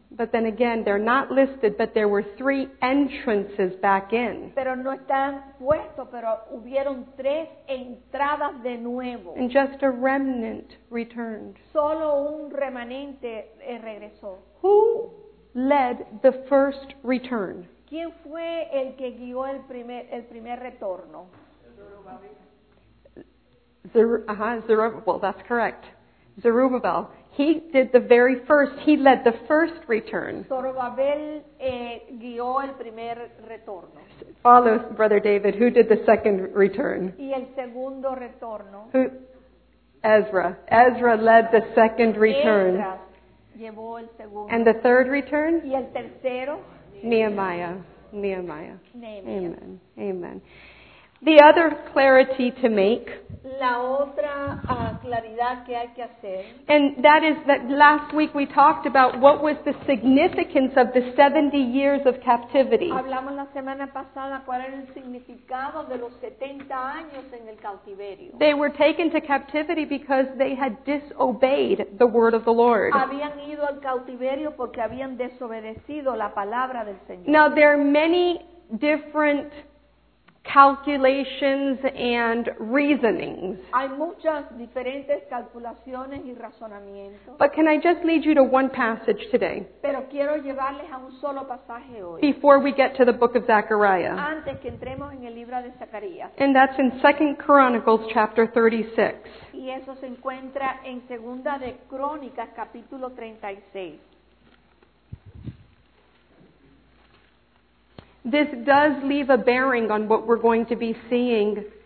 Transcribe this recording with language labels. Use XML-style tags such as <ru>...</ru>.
<en>But then again, they're not listed, but there were three entrances back in.</en> <es>Pero no están puestos, pero hubieron tres entradas de nuevo.</es> <en>And just a remnant returned.</en> <es>Solo un remanente regresó.</es> <en>Who led the first return?</en> <es>¿Quién fue el que guió el primer retorno?</es> <en>Zerubbabel. Well, that's correct. Zerubbabel. He did the very first. He led the first return.</en> <es>Zerubbabel guió el primer retorno.</es> <en>Follow Brother David, who did the second return.</en> <es>Y el segundo retorno.</es> <en>Who? Ezra. Ezra led the second return.</en> <es>Ezra llevó el segundo.</es> <en>And the third return?</en> <es>Y el tercero.</es> <en>Nehemiah. Amen. The other clarity to make,</en> <es>la otra, claridad que hay que hacer,</es> <en>and that is that last week we talked about what was the significance of the 70 years of captivity.</en> <es>Hablamos la semana pasada cuál era el significado de los 70 años en el cautiverio.</es> <en>They were taken to captivity because they had disobeyed the word of the Lord.</en> <es>Habían ido al cautiverio porque habían desobedecido la palabra del Señor.</es> <en>Now there are many different calculations and reasonings.</en> <es>Hay muchas diferentes calculaciones y razonamientos.</es> <en>But can I just lead you to one passage today?</en> <es>Pero quiero llevarles a un solo pasaje hoy.</es> <en>Before we get to the book of Zechariah.</en> <es>Antes que entremos en el libro de Zacarías.</es> <en>And that's in 2 Chronicles chapter 36.</en> <es>Y eso se encuentra en Segunda de Crónicas capítulo 36.</es> <en>This does leave a bearing on what we're going to be seeing.</en>